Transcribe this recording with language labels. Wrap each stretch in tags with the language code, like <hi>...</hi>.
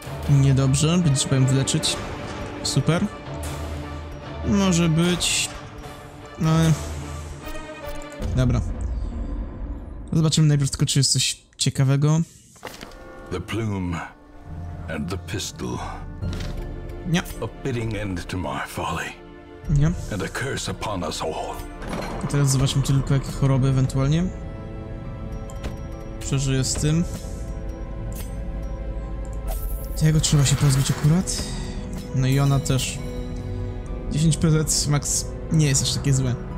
<pl>Niedobrze, więc trzeba ją wyleczyć. Super. Może być. No. Dobra. Zobaczymy najpierw tylko, czy jest coś ciekawego.</pl> <en>The plume and the pistol.</en> <pl>Nie.</pl> <en>A fitting end to my folly.</en> <pl>Nie.</pl> <en>And a curse upon us all.</en> <pl>I teraz zobaczmy tylko, jakie choroby ewentualnie przeżyję z tym. Tego trzeba się pozbyć akurat. No i ona też. 10 PZ max nie jest aż takie złe.</pl>